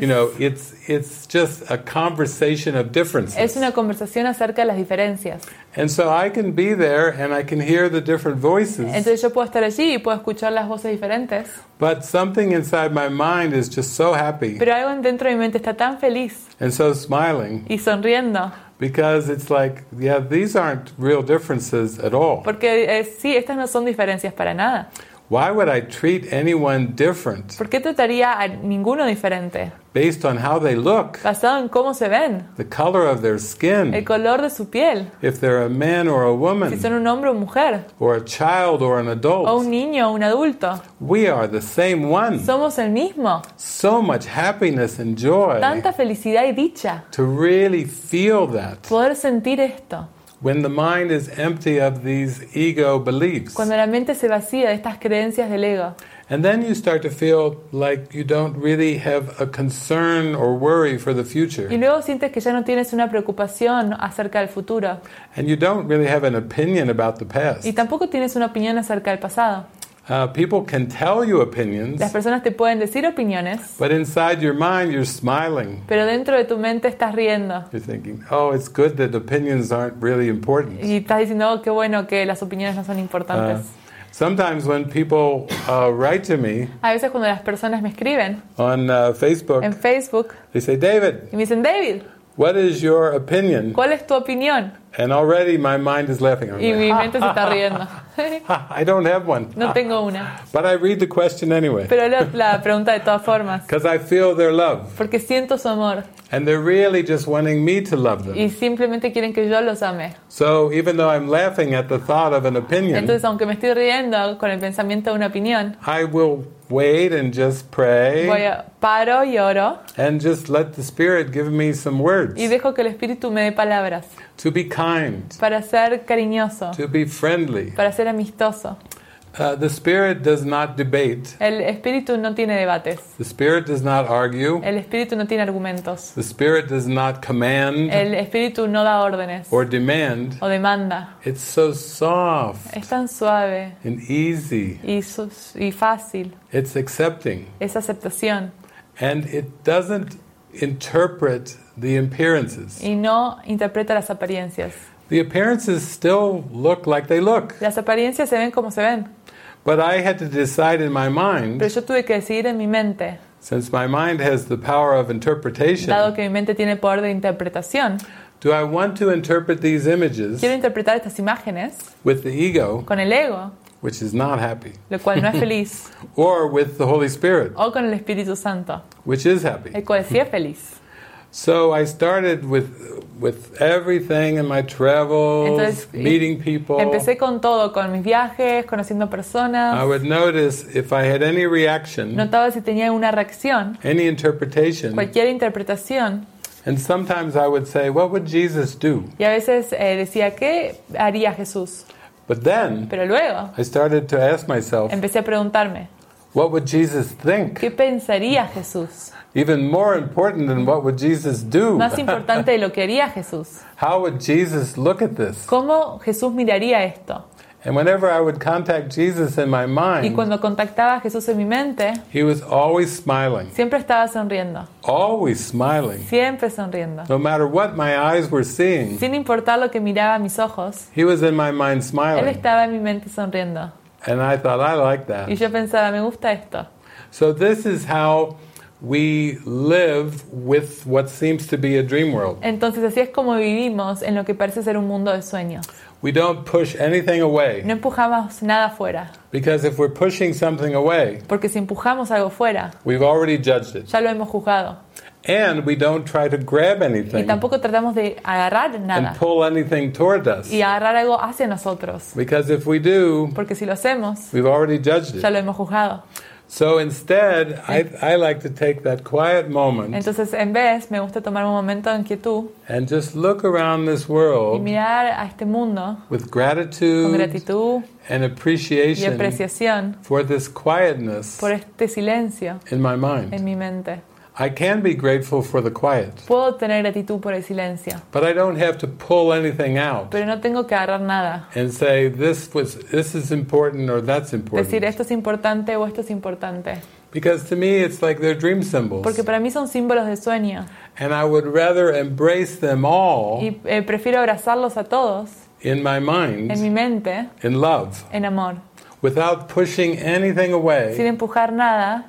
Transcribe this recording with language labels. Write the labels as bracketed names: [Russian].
[English] You know, it's just a conversation of differences. [Spanish] Es una conversación acerca de las diferencias. [English] And so I can be there and I can hear the different voices. [Spanish] Entonces yo puedo estar allí y puedo escuchar las voces diferentes. [English] But something inside my mind is just so happy. [Spanish] Pero algo dentro de mi mente está tan feliz. [English] And so smiling. [Spanish] Y sonriendo. [English] Because it's like, yeah, these aren't real differences at all. [Spanish] Porque sí, estas no son diferencias para nada. [English] Why would I treat anyone different? [Spanish] ¿Por qué trataría a ninguno diferente? [English] Based on how they look. [Spanish] Basado en cómo se ven. [English] The color of their skin. [Spanish] El color de su piel. [English] If they're a man or a woman. [Spanish] Si son un hombre o mujer. [English] Or a child or an adult. [Spanish] O un niño o un adulto. [English] We are the same one. [Spanish] Somos el mismo. [English] So much happiness and joy. [Spanish] Tanta felicidad y dicha. [English] To really feel that. [Spanish] Poder sentir esto. [English] When the mind is empty of these ego beliefs. [Spanish] Cuando la mente se vacía de estas creencias del ego. [English] And then you start to feel like you don't really have a concern or worry for the future. [Spanish] Y luego sientes que ya no tienes una preocupación acerca del futuro. [English] And you don't really have an opinion about the past. [Spanish] Y tampoco tienes una opinión acerca del pasado. [English] People can tell you opinions. [Spanish] Las personas te pueden decir opiniones. [English] But inside your mind, you're smiling. [Spanish] Pero dentro de tu mente estás riendo. [English] You're thinking, "Oh, it's good that opinions aren't really important." [Spanish] Y estás diciendo, oh, qué bueno que las opiniones no son importantes. [English] Sometimes when people write to me, [Spanish] a veces cuando las personas me escriben [English] on Facebook, [Spanish] en Facebook, [English] they say, "David." [Spanish] Y me dicen, "David." [English] What is your opinion? [Spanish] ¿Cuál es tu opinión? [English] And already my mind is laughing. [Spanish] Y mi mente se está riendo. [English] I don't have one. [Spanish] No tengo una. [English] But I read the question anyway. [Spanish] Pero leo la pregunta de todas formas. [English] Because I feel their love. [Spanish] Porque siento su amor. [English] And they're really just wanting me to love them. [Spanish] Y simplemente quieren que yo los ame. [English] So even though I'm laughing at the thought of an opinion. [Spanish] Entonces aunque me estoy riendo con el pensamiento de una opinión. [English] I will wait and just pray. [Spanish] Voy a paro y oro. [English] And just let the Spirit give me some words. [Spanish] Y dejo que el Espíritu me dé palabras. [English] To be kind. [Spanish] Para ser cariñoso. [English] To be friendly. [Spanish] Para ser amistoso. [English] The Spirit does not debate. [Spanish] El Espíritu no tiene debates. [English] The Spirit does not argue. [Spanish] El Espíritu no tiene argumentos. [English] The Spirit does not command. [Spanish] El Espíritu no da órdenes. [English] Or demand. [Spanish] O demanda. [English] It's so soft. [Spanish] Es tan suave. [English] And easy. [Spanish] Y fácil. [English] It's accepting. [Spanish] Es aceptación. [English] And it doesn't interpret the appearances. [Spanish] Y no interpreta las apariencias. [English] The appearances still look like they look. [Spanish] Las apariencias se ven como se ven. [English] But I had to decide in my mind. [Spanish] Pero yo tuve que decidir en mi mente. [English] Since my mind has the power of interpretation. [Spanish] Dado que mi mente tiene poder de interpretación. [English] Do I want to interpret these images? [Spanish] Quiero interpretar estas imágenes. [English] With the ego. [Spanish] Con el ego. [English] Which is not happy. [Spanish] Lo cual no es feliz. [English] Or with the Holy Spirit. [Spanish] O con el Espíritu Santo. [English] Which is happy. [Spanish] El cual sí es feliz. [English] So I started with everything in my travels, [Spanish] entonces, [English] meeting people. [Spanish] Empecé con todo, con mis viajes, conociendo personas. [English] I would notice if I had any reaction. [Spanish] Notaba si tenía una reacción. [English] Any interpretation. [Spanish] Cualquier interpretación. [English] And sometimes I would say, "What would Jesus do?" [Spanish] Y a veces decía, ¿qué haría Jesús? [English] But then, [Spanish] pero luego, [English] I started to ask myself. [Spanish] Empecé a preguntarme. [English] What would Jesus think? [Spanish] ¿Qué pensaría Jesús? [English] Even more important than what would Jesus do. [Spanish] Más importante de lo que haría Jesús. [English] How would Jesus look at this? [Spanish] ¿Cómo Jesús miraría esto? [English] And whenever I would contact Jesus in my mind. [Spanish] Y cuando contactaba a Jesús en mi mente. [English] He was always smiling. [Spanish] Siempre estaba sonriendo. [English] Always smiling. [Spanish] Siempre sonriendo. [English] No matter what my eyes were seeing. [Spanish] Sin importar lo que miraba mis ojos. [English] He was in my mind smiling. [Spanish] Él estaba en mi mente sonriendo. [English] And I thought, I like that. [Spanish] Y yo pensaba, me gusta esto. [English] So this is how we live with what seems to be a dream world. [Spanish] Entonces así es como vivimos en lo que parece ser un mundo de sueños. [English] We don't push anything away. [Spanish] No empujamos nada fuera. [English] Because if we're pushing something away, [Spanish] porque si empujamos algo fuera, [English] we've already judged it. [Spanish] Ya lo hemos juzgado. [English] And we don't try to grab anything. [Spanish] Y tampoco tratamos de agarrar nada. [English] And pull anything toward us. [Spanish] Y agarrar algo hacia nosotros. [English] Because if we do, [Spanish] porque si lo hacemos, [English] we've already judged it. [Spanish] Ya lo hemos juzgado. [English] So instead, I like to take that quiet moment. [Spanish] Entonces, en vez, me gusta tomar un momento en quietud. [English] And just look around this world. [Spanish] Y mirar a este mundo. [English] With gratitude. [Spanish] Con gratitud. [English] And appreciation. [Spanish] Y apreciación. [English] For this quietness. [Spanish] Por este silencio. [English] In my mind. [Spanish] En mi mente. [English] I can be grateful for the quiet. [Spanish] Puedo tener gratitud por el silencio. [English] But I don't have to pull anything out. [Spanish] Pero no tengo que agarrar nada. [English] And say this is important or that's important. [Spanish] Decir esto es importante o esto es importante. [English] Because to me it's like they're dream symbols. [Spanish] Porque para mí son símbolos de sueño. [English] And I would rather embrace them all. [Spanish] Y prefiero abrazarlos a todos. [English] In my mind. [Spanish] En mi mente. [English] In love. [Spanish] En amor. [English] Without pushing anything away, [Spanish] sin empujar nada,